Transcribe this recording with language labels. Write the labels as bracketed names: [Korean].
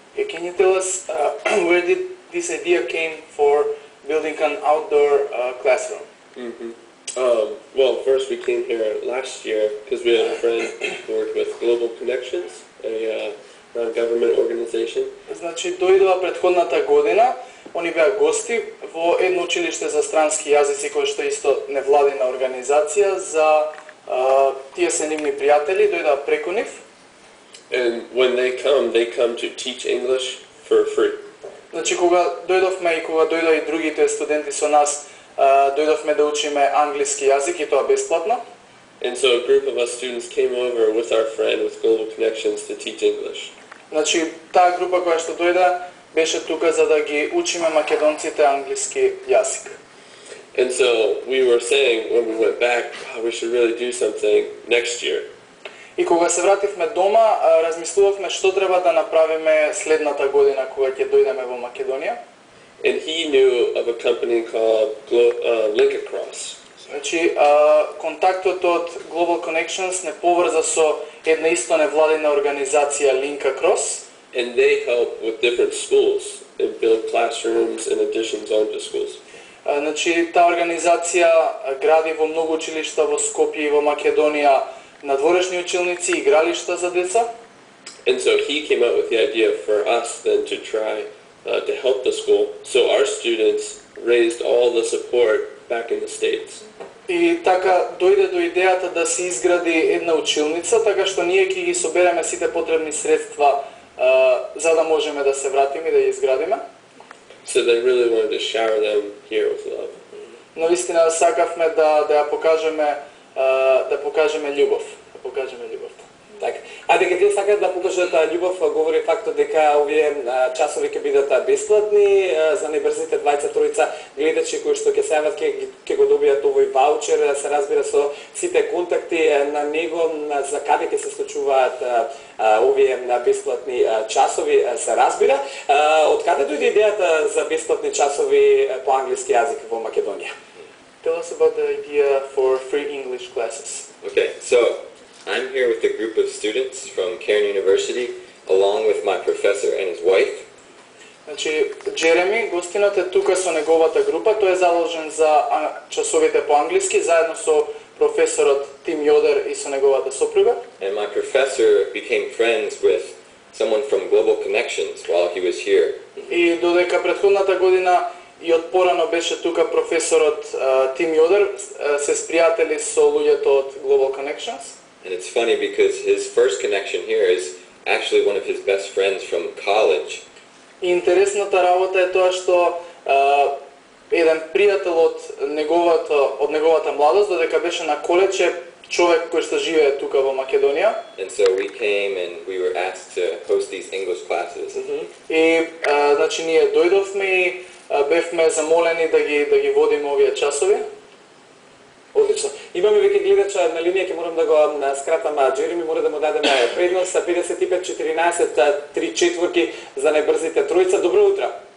[English] Can you tell us where did this idea came for building an outdoor classroom? Well, first we came here last year because we had a friend who worked with Global Connections, a non-government organization. [Macedonian] Значи дојдоа претходната година, они беа гости во едно училиште за странски јазици кое што исто невладина организација за тие се нивни пријатели, дојдоа преку нив. [English] And when they come to teach English for free. [Macedonian] Значи кога дојдовме и кога дојдоа и другите студенти со нас, дојдовме да учиме англиски јазик и тоа бесплатно. [English] And so a group of us students came over with our friend with Global Connections to teach English. [Macedonian] Значи таа група која што дојде беше тука за да ги учиме македонците англиски јазик. [English] And so we were saying when we went back, we should really do something next year. [Macedonian] И кога се вративме дома, размислувавме што треба да направиме следната година кога ќе дојдеме во Македонија. [English] And he knew of a company called Link Across. [Macedonian] Значи, контактот од Global Connections не поврза со една исто невладина организација Link Across. [English] And they help with different schools and build classrooms and additions onto schools. [Macedonian] Значи, таа организација гради во многу училишта во Скопје и во Македонија надворешни училници, игралишта за деца. [English] And so he came up with the idea for us then to try to help the school. So our students raised all the support back in the States. [Macedonian] И така дојде до идејата да се изгради една училница, така што ние ќе ги собереме сите потребни средства за да можеме да се вратиме и да ја изградиме. So they really wanted to shower them here with love. Но вистина сакавме да ја покажеме да покажеме љубов, да покажеме љубовта. Така. А дека вие сакате да покажете таа љубов, говори фактот дека овие часови ќе бидат бесплатни за најбрзите 23 гледачи кои што ќе се јават, ќе го добијат овој ваучер, да се разбира со сите контакти на него, за каде ќе се случуваат овие бесплатни часови, се разбира. Од каде дојде идејата за бесплатни часови по англиски јазик во Македонија? [English] Tell us about the idea for free English classes. Okay, so I'm here with a group of students from Cairn University, along with my professor and his wife. [Macedonian] Значи, Джереми, гостинот е тука со неговата група, тој е заложен за часовите по англиски, заедно со професорот Тим Јодер и со неговата сопруга. [English] And my professor became friends with someone from Global Connections while he was here. [Macedonian] И додека претходната година и од порано беше тука професорот Тим Јодер, се спријатели со луѓето од Global Connections. [English] And it's funny because his first connection here is actually one of his best friends from college. [Macedonian] Интересната работа е тоа што еден пријател од неговата младост, додека беше на коледж, е човек кој што живее тука во Македонија. [English] And so we came and we were asked to host these English classes. [Macedonian] И значи ние дојдовме и бевме замолени да ги водиме овие часови. Одлично. Имаме веќе гледача на линија, ќе морам да го скратам. Джереми, мора да му дадеме предност. 55-14, 3-4 за најбрзите тројца. Добро утро.